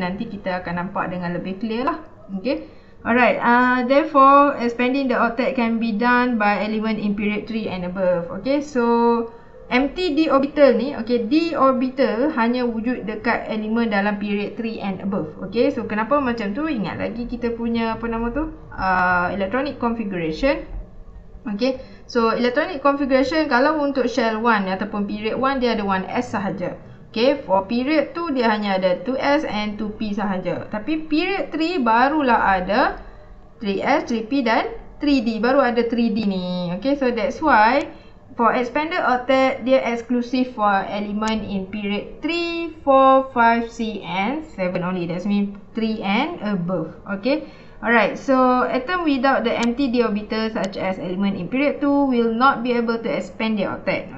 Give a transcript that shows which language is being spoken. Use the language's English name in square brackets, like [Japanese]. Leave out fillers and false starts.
[Malay] Nanti kita akan nampak dengan lebih clear lah. Okay, alright. [English] Therefore, expanding the octet can be done by element in period 3 and above. [Malay] Okay, so empty d orbital ni, okay, d orbital hanya wujud dekat element dalam period [English] 3 and above. [Malay] Okay, so kenapa macam tu? Ingat lagi kita punya apa nama tu? Electronic configuration. Okay, so electronic configuration kalau untuk shell 1 ataupun period 1 dia ada 1s sahaja. Okay, [English] for period 2 [Malay] dia hanya ada 2s and 2p sahaja. Tapi period 3 barulah ada 3s, 3p dan 3d. Baru ada 3d ni. [English] Okay, so that's why for expanded octet dia exclusive for element in period 3, 4, 5, 6 and 7 only. That's mean 3 and above. Okay. Alright, so atom without the empty d orbital such as element in period 2 will not be able to expand the octet.